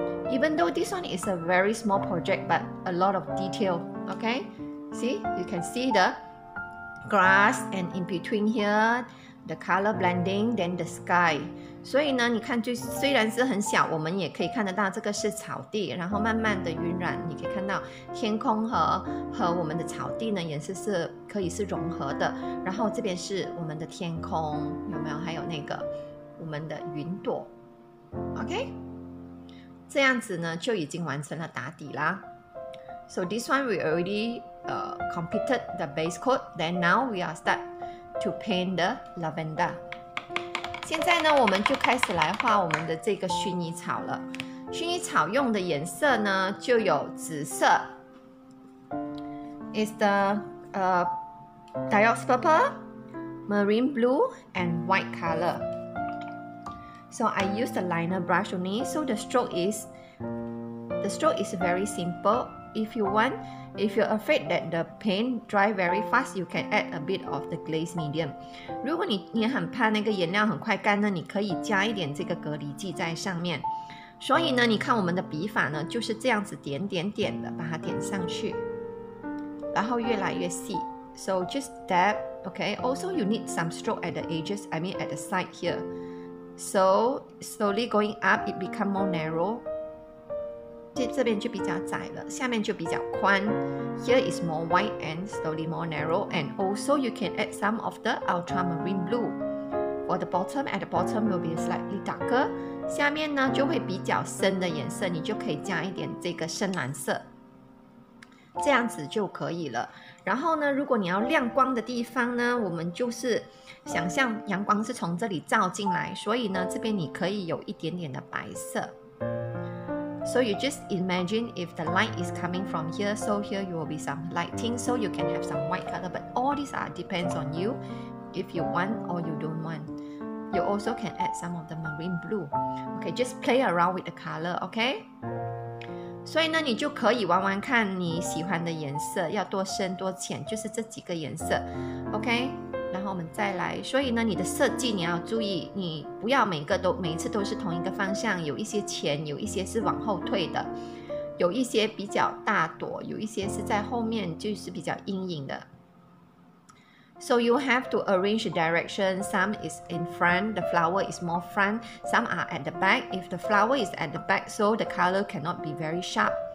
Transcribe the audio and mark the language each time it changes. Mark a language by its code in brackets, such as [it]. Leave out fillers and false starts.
[en] Even though this one is a very small project, but a lot of detail. Okay, see, you can see the grass and in between here the color blending, then the sky. [zh] 所以呢你看，就虽然是很小，我们也可以看得到这个是草地，然后慢慢的晕染，你可以看到天空和我们的草地呢颜色是可以是融合的，然后这边是我们的天空，有没有，还有那个我们的云朵。 OK, 这样子呢就已经完成了打底啦。 [en] So this one we already completed the base coat, then now we are start to paint the lavender. [zh] 现在呢我们就开始来画我们的这个薰衣草了。薰衣草用的颜色呢就有紫色 [en] is the dioxide purple, marine blue and white color. So I use the liner brush only, so the stroke is very simple. If you're afraid that the paint dry very fast, you can add a bit of the glaze medium. [zh] 如果你很怕那个颜料很快干呢，你可以加一点这个隔离剂在上面。所以呢，你看我们的笔法呢，就是这样子点点点的把它点上去，然后越来越细。 [en] So just dab, okay. Also, you need some stroke at the edges. I mean, at the side here. So slowly going up, it become more narrow. [zh] 这边就比较窄了，下面就比较宽。 [en] Here is more white and slowly more narrow. And also you can add some of the ultramarine blue for the bottom. At the bottom will be slightly darker. [zh] 下面呢就会比较深的颜色，你就可以加一点这个深蓝色，这样子就可以了。然后呢如果你要亮光的地方呢，我们就是想象阳光是从这里照进来，所以呢这边你可以有一点点的白色。 [en] So you just imagine if the light is coming from here, so here you will be some lighting, so you can have some white color. But all these are depends on you, if you want or you don't want. You also can add some of the marine blue. Okay, just play around with the color, okay? [zh] 所以呢，你就可以玩玩看你喜欢的颜色，要多深多浅，就是这几个颜色 ，okay? 然后我们再来。所以呢，你的设计你要注意，你不要每一次都是同一个方向，有一些前，有一些是往后退的，有一些比较大朵，有一些是在后面，就是比较阴影的。 [en] So you have to arrange the direction. Some is in front, the flower is more front. Some are at the back. If the flower is at the back, so the color cannot be very sharp.